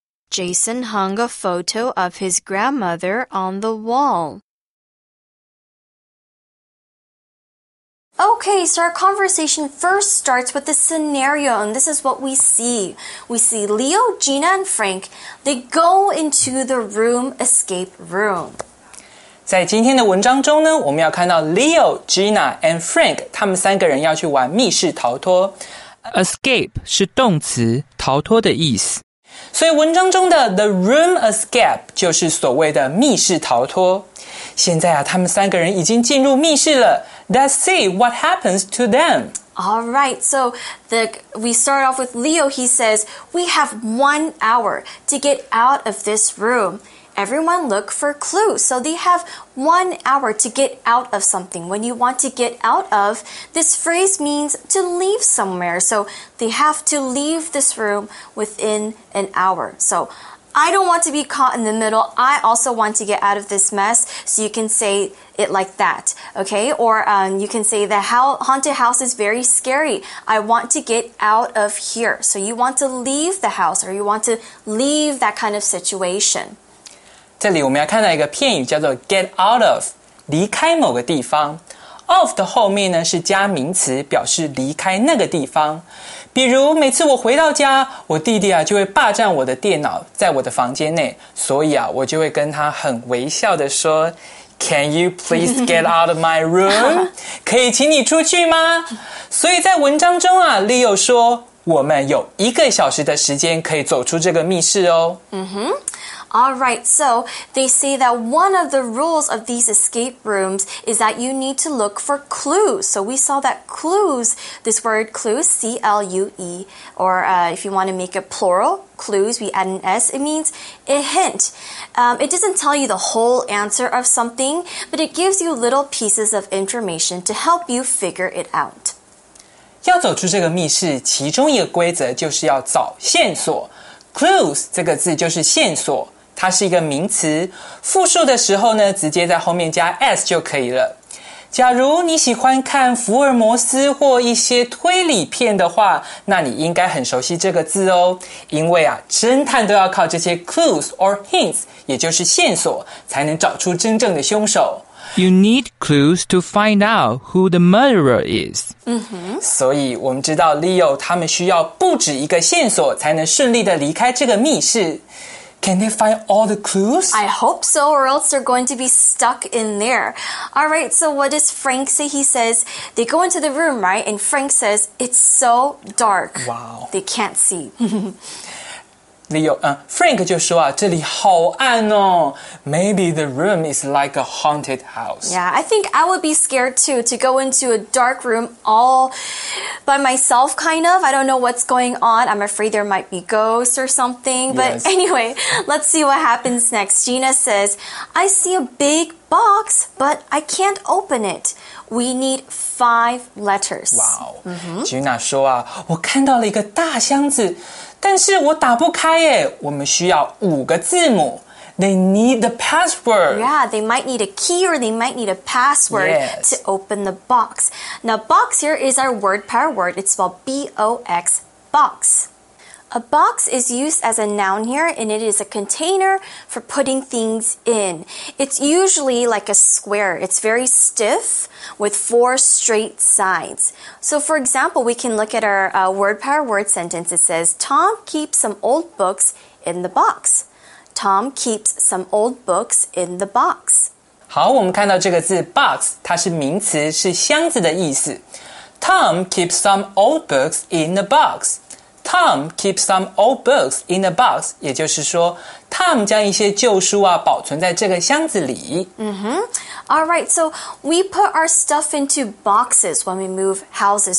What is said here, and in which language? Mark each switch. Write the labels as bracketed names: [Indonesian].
[English] Jason hung a photo of his grandmother on the wall. Okay, so our conversation first starts with a scenario, and this is what we see. We see Leo, Gina, and Frank. They go into the room, escape room. [Chinese] 在今天的文章中呢，我们要看到 Leo, Gina, and Frank 他们三个人要去玩密室逃脱。 Escape 是动词，逃脱的意思。所以文章中的 [English] the room escape [Chinese] 就是所谓的密室逃脱。现在啊，他们三个人已经进入密室了。 [English] Let's see what happens to them. All right, so we start off with Leo. He says, "We have 1 hour to get out of this room. Everyone look for clues." So they have 1 hour to get out of something. When you want to get out of, this phrase means to leave somewhere. So they have to leave this room within an hour. So I don't want to be caught in the middle. I also want to get out of this mess. So you can say it like that, okay? Or you can say the haunted house is very scary. I want to get out of here. So you want to leave the house or you want to leave that kind of situation. [Chinese] 这里我们要看到一个片语叫做 get out of, 离开某个地方。 of 的后面呢是加名词，表示离开那个地方。比如每次我回到家，我弟弟啊就会霸占我的电脑在我的房间内，所以啊我就会跟他很微笑的说 [English] Can you please get out of my room? [Chinese] 可以请你出去吗？所以在文章中啊 Leo 说我们有一个小时的时间可以走出这个密室哦。 [English] Alright, so they say that one of the rules of these escape rooms is that you need to look for clues. So we saw that clues, this word clues, C-L-U-E, if you want to make it plural, clues, we add an S, it means a hint. It doesn't tell you the whole answer of something, but it gives you little pieces of information to help you figure it out. [Chinese] 要走出这个密室，其中一个规则就是要找线索。 Clues 这个字就是线索，它是一个名词，复数的时候呢，直接在后面加 s 就可以了。假如你喜欢看福尔摩斯或一些推理片的话，那你应该很熟悉这个字哦，因为啊，侦探都要靠这些 [English] clues or hints， [Chinese] 也就是线索，才能找出真正的凶手。 [English] You need clues to find out who the murderer is. [Chinese] 所以我们知道 Leo 他们需要不止一个线索才能顺利的离开这个密室。 [English] Can they find all the clues? I hope so, or else they're going to be stuck in there. All right, so what does Frank say? He says, they go into the room, right? And Frank says, it's so dark. Wow. They can't see. [Chinese] Frank 就说啊，这里好暗哦。 [English] Maybe the room is like a haunted house. Yeah, I think I would be scared too to go into a dark room all by myself, kind of. I don't know what's going on. I'm afraid there might be ghosts or something. But yes. Anyway, let's see what happens next. Gina says, I see a big box, but I can't open it. We need 5 letters. Wow.、Mm-hmm. [Chinese] Gina 说啊，我看到了一个大箱子。但是我打不开耶，我们需要5个字母。 [English] They need the password. Yeah, they might need a key or they might need a password、 yes. to open the box. Now, box here is our word pair word. It's spelled B-O-X, box. A box is used as a noun here and it is a container for putting things in. It's usually like a square. It's very stiff with 4 straight sides. So for example, we can look at our word pair word sentence. It says, Tom keeps some old books in the box. Tom keeps some old books in the box. [Chinese] 好，我们看到这个字 box, 它是名词，是箱子的意思。 [English] Tom keeps some old books in the box. Tom keeps some old books in a box, [Chinese] 也就是说 Tom 将一些旧书啊保存在这个箱子里。 Mm-hmm. [English] All right, so we put our stuff into boxes when we move houses.